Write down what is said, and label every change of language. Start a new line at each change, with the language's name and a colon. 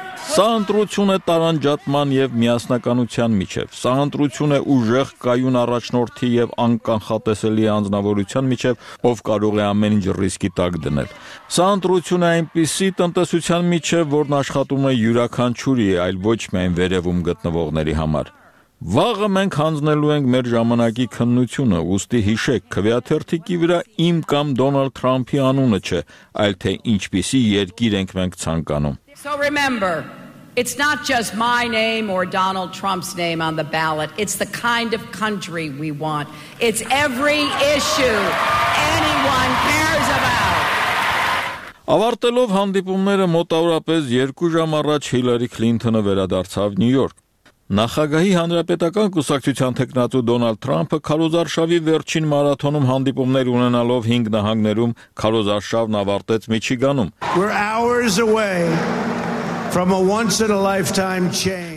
Armenian: Սա ընտրություն է տարանջատման և միասնականության միջև, սա ընտրություն է ուժեղ կայուն առաջնորդի և անկանխատեսելի անձնավորության միջև, ով կարող է ամեն ինչ ռիսկի տակ դնել։ Սա ընտրություն է այնպիսի տնտեսության միջև, որն աշխատում է յուրաքանչյուրի, այլ ոչ միայն վերևում գտնվողների համար։ Վաղը մենք հանձնելու ենք մեր ժամանակի քննությունը, ուստի հիշեք, քվեաթերթիկի վրա իմ կամ Դոնալդ Թրամփի անունը չէ, այլ թե ինչպիսի երկիր ենք մենք ցանկանում.
English: So remember, it's not just my name or Donald Trump's name on the ballot, it's the kind of country we want. It's every issue anyone cares about.
Armenian: Ավարտելով հանդիպումները մոտավորապես 2 ժամ առաջ Հիլարի Քլինթոնը վերադարձավ Նյու Յորք. Նախագահի հանրապետական կուսակցության թեկնածու Դոնալդ Թրամփը քարոզարշավի վերջին մարաթոնում հանդիպումներ ունենալով 5 նահանգներում քարոզարշավն ավարտեց Միչիգանում.
English: We're hours away from a once in a lifetime change.